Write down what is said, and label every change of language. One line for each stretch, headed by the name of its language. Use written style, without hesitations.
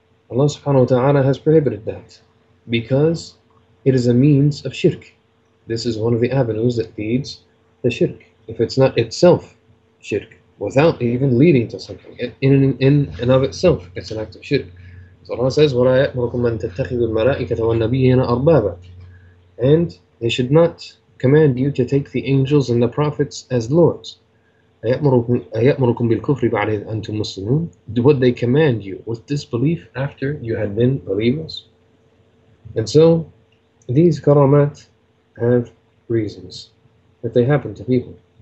English: Allah subhanahu wa ta'ala has prohibited that because it is a means of shirk. This is one of the avenues that leads to shirk. If it's not itself shirk, without even leading to something, in and of itself, it's an act of shirk. So Allah says,
Arabic: وَلَا يَأْمُرُكُمْ مَنْ تَتَّخِذُ الْمَلَائِكَةَ وَالنَّبِيِّينَ أَرْبَابًا.
English: And they should not command you to take the angels and the prophets as lords.
Arabic: أَيَأْمُرُكُمْ بِالْكُفْرِ بَعْدَ إِذْ أَنْتُمْ مُسْلِمُونَ.
English: Would they command you with disbelief after you had been believers? And so, these karamat have reasons that they happen to people.